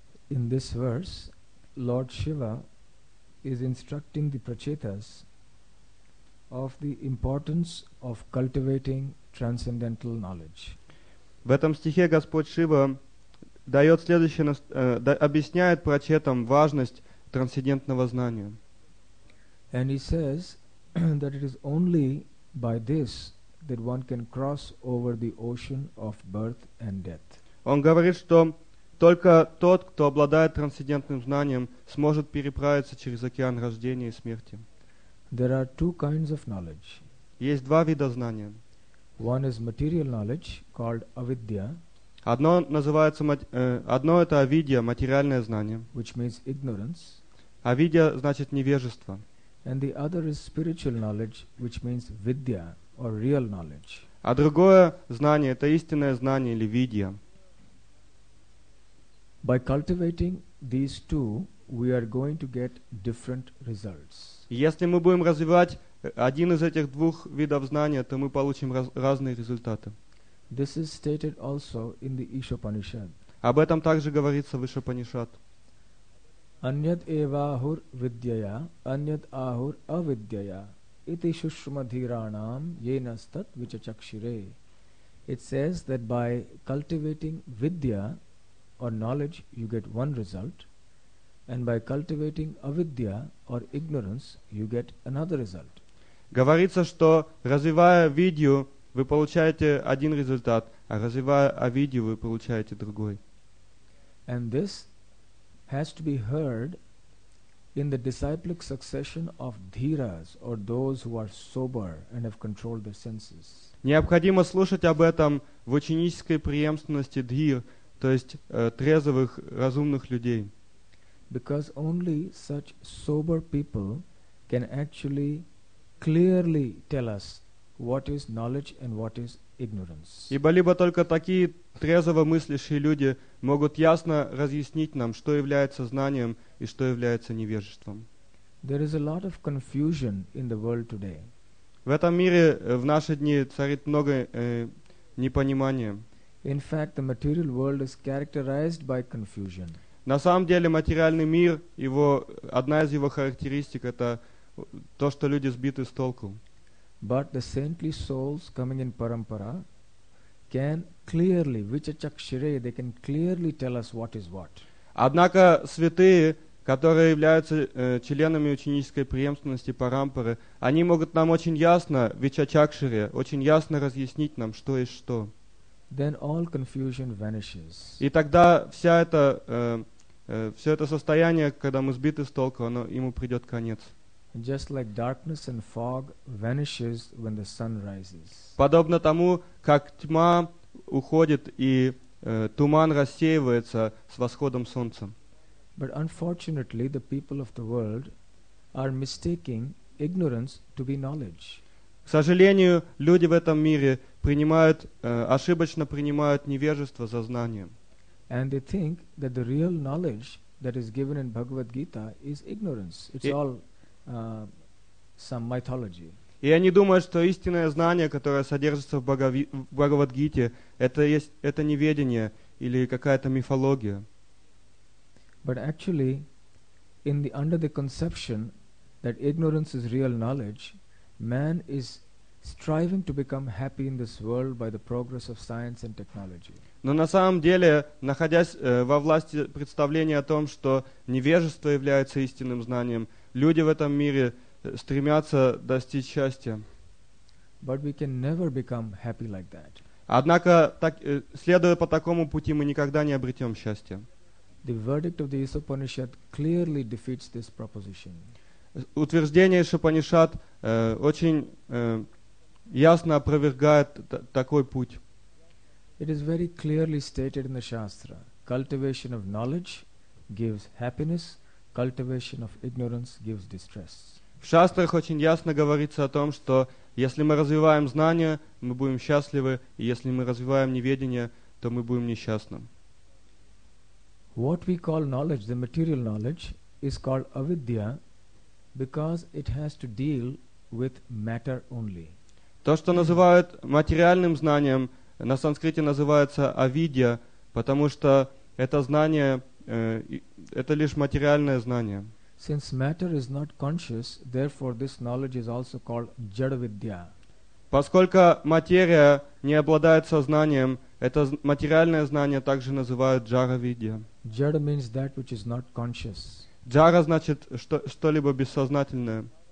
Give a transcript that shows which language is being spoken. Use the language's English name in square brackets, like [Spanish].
[English] In this verse, Lord Shiva is instructing the Prachetas of the importance of cultivating transcendental knowledge. [Russian] В этом стихе Господь Шива дает следующее, объясняет Прачетам важность трансцендентного знания. [English] And he says that it is only by this that one can cross over the ocean of birth and death. [Russian] Он говорит, что только тот, кто обладает трансцендентным знанием, сможет переправиться через океан рождения и смерти. [English] There are two kinds of knowledge. [Russian] Есть два вида знания. [English] One is material knowledge called avidya. [Russian] Одно называется одно это авидья, материальное знание. [English] Which means ignorance. [Russian] Авидья значит невежество. [English] And the other is spiritual knowledge, which means vidya or real knowledge. [Russian] А другое знание это истинное знание или видья. [English] By cultivating these two, we are going to get different results. [Russian] Если мы будем развивать один из этих двух видов знания, то мы получим разные результаты. [English] This is stated also in the Ишопанишад. [Russian] Об этом также говорится в Ишопанишад. [Sanskrit] Аньят эвахур видьяя, аньят ахур авидьяя, ити шушмадхиранам енастат вичачакшире. [English] It says that by cultivating vidya or knowledge, you get one result, and by cultivating avidya or ignorance, you get another result. [Russian] Говорится, что развивая видью, вы получаете один результат, а развивая авидью, вы получаете другой. [English] And this has to be heard in the disciplic succession of dhiras, or those who are sober and have controlled their senses. [Russian] Необходимо слушать об этом в ученической преемственности дхир, то есть трезвых, разумных людей. [English] Because only such sober people can actually clearly tell us what is knowledge and what is ignorance. [Russian] Ибо либо только такие трезво мыслящие люди могут ясно разъяснить нам, что является знанием и что является невежеством. [English] There is a lot of confusion in the world today. [Russian] В этом мире в наши дни царит много непонимания. [English] In fact, the material world is characterized by confusion. [Russian] На самом деле материальный мир, его, одна из его характеристик это то, что люди сбиты с толку. [English] But the saintly souls coming in parampara can clearly, vichachakshire, they can clearly tell us what is what. [Russian] Однако святые, которые являются членами ученической преемственности Парампары, они могут нам очень ясно, Вичачакшире, очень ясно разъяснить нам, что есть что. [English] Then all confusion vanishes. [Russian] И тогда вся эта, все это состояние, когда мы сбиты с толку, оно, ему придет конец. [English] Just like darkness and fog vanishes when the sun rises. [Russian] Подобно тому, как тьма уходит и туман рассеивается с восходом солнца. [English] But unfortunately, the people of the world are mistaking ignorance to be knowledge. [Russian] К сожалению, люди в этом мире принимают, ошибочно принимают невежество за знание. [English] And they think that the real knowledge that is given in Bhagavad Gita is ignorance. It's all some mythology. [Russian] И они думают, что истинное знание, которое содержится в Бхагавад-гите, это есть это неведение или какая-то мифология. [English] But actually, in the under the conception that ignorance is real knowledge, man is striving to become happy in this world by the progress of science and technology. [Russian] Но на самом деле, находясь во власти представления о том, что невежество является истинным знанием, люди в этом мире стремятся достичь счастья. [English] But we can never become happy like that. [Russian] Однако, так, следуя по такому пути, мы никогда не обретем счастья. [English] The verdict of the Isopanishad clearly defeats this proposition. [Russian] Утверждение Шопанишад очень ясно опровергает такой путь. [English] It is very clearly stated in the Shastra. Cultivation of knowledge gives happiness. Cultivation of ignorance gives distress. [Russian] В Шастрах очень ясно говорится о том, что если мы развиваем знания, мы будем счастливы, и если мы развиваем неведение, то мы будем несчастны. [English] What we call knowledge, the material knowledge, is called avidya, because it has to deal with matter only. [Russian] То, что называют материальным знанием, на санскрите называется авидья, потому что это знание, это лишь материальное знание. [English] Since matter is not conscious, therefore this knowledge is also called jadavidya. [Russian] Поскольку материя не обладает сознанием, это материальное знание также называют джаравидья. [English] Jada means that which is not conscious. [Russian] Джара значит что, что-либо бессознательное.